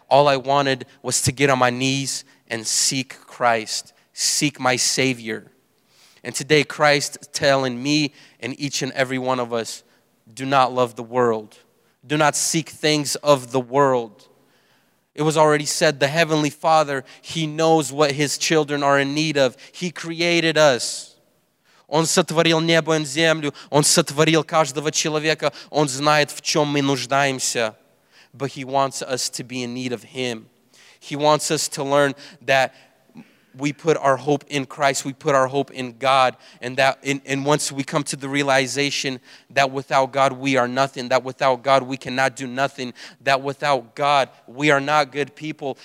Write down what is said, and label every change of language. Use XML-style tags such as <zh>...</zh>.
<en>All I wanted was to get on my knees and seek Christ, seek my Savior. And today, Christ telling me and each and every one of us, do not love the world. Do not seek things of the world. It was already said, the Heavenly Father, he knows what his children are in need of. He created us.</en> <ru>Он сотворил небо и землю. Он сотворил каждого человека. Он знает, в чем мы нуждаемся.</ru> <en>But he wants us to be in need of him. He wants us to learn that we put our hope in Christ, we put our hope in God, and that and once we come to the realization that without God we are nothing, that without God we cannot do nothing, that without God we are not good people.</en>